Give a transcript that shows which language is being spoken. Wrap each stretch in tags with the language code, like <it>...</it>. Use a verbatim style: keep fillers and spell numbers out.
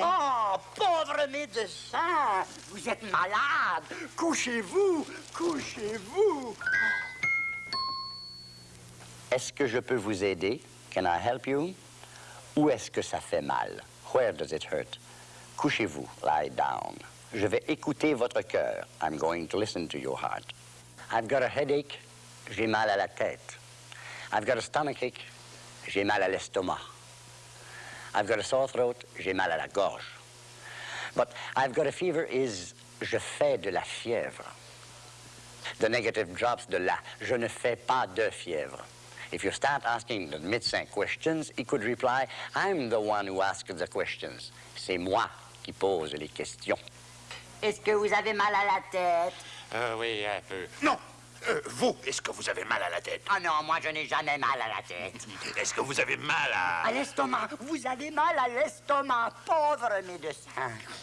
<fr>Oh, pauvre médecin. Vous êtes malade. Couchez-vous, couchez-vous. Est-ce que je peux vous aider?</fr> <en>Can I help you?</en> <fr>Où est-ce que ça fait mal?</fr> <en>Where does it hurt?</en> <fr>Couchez-vous,</fr> <en>lie down.</en> <fr>Je vais écouter votre cœur.</fr> <en>I'm going to listen to your heart. I've got a headache.</en> <fr>J'ai mal à la tête.</fr> <en>I've got a stomachache.</en> <fr>J'ai mal à l'estomac.</fr> <en>I've got a sore throat.</en> <fr>J'ai mal à la gorge.</fr> <en>But I've got a fever is</en> <fr>je fais de la fièvre.</fr> <en>The negative drops</en> <fr>de la. Je ne fais pas de fièvre.</fr> <en>If you start asking the médecin questions, he could reply, I'm the one who asks the questions.</en> <fr>C'est moi qui pose les questions. Est-ce que vous avez mal à la tête? Euh, oui, un peu. Non! Euh, vous, est-ce que vous avez mal à la tête? Ah non, moi, je n'ai jamais mal à la tête. Est-ce que vous avez mal à... À l'estomac. Vous avez mal à l'estomac, pauvre médecin.</fr>